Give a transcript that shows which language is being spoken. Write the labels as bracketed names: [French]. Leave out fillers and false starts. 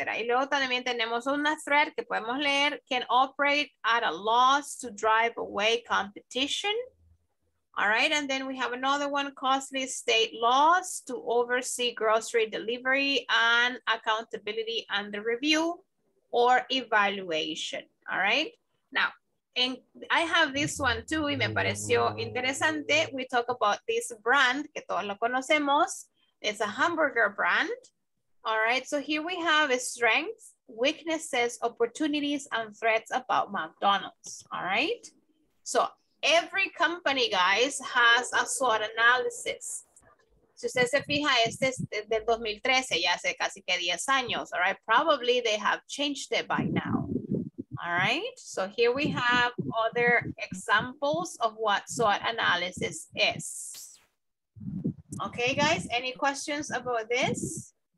[Spanish] Y luego también tenemos una thread que podemos leer, [English] can operate at a loss to drive away competition. All right, and then we have another one, costly state laws to oversee grocery delivery and accountability and the review or evaluation. All right, now, and I have this one too, [Spanish] y me pareció interesante. [English] We talk about this brand, [Spanish] que todos lo conocemos. [English] It's a hamburger brand. All right, so here we have a strength, weaknesses, opportunities, and threats about McDonald's. All right, so, every company, guys, has a SWOT analysis. [Spanish] Si usted se fija, este es del 2013, ya hace casi que 10 años, [English] all right? Probably they have changed it by now, all right? So here we have other examples of what SWOT analysis is. Okay, guys, any questions about this?